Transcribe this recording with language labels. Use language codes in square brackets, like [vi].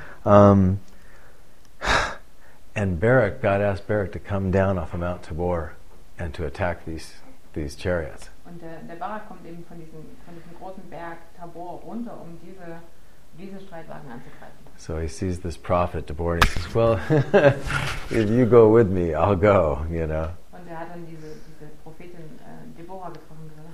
[en] And Barak, God asked Barak to come down off of Mount Tabor and to attack these chariots. [de] Und der Barak kommt eben von diesem großen Berg Tabor runter, um diese Streitwagen anzugreifen. [en] So he sees this prophet, Deborah, and he says, well, if you go with me, I'll go, you know. [de] Und er hat dann diese Prophetin Deborah getroffen.